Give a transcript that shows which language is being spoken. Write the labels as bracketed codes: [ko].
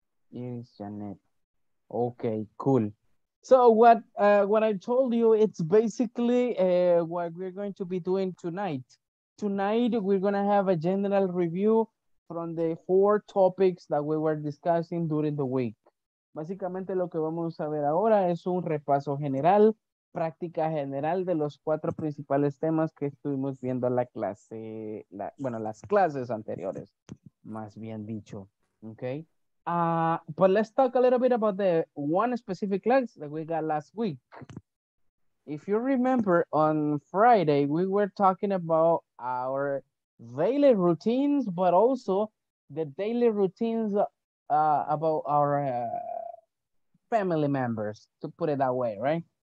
[en] Here is Janet. Okay, cool. So what I told you, it's basically what we're going to be doing tonight. Tonight, we're going to have a general review from the 4 topics that we were discussing during the week. [es] Básicamente, lo que vamos a ver ahora es un repaso general, práctica general de los 4 principales temas que estuvimos viendo en la clase, las clases anteriores, más bien dicho, okay? [en] But let's talk a little bit about the one specific class that we got last week. If you remember, on Friday, we were talking about our daily routines, but also the daily routines about our family members, to put it that way, right?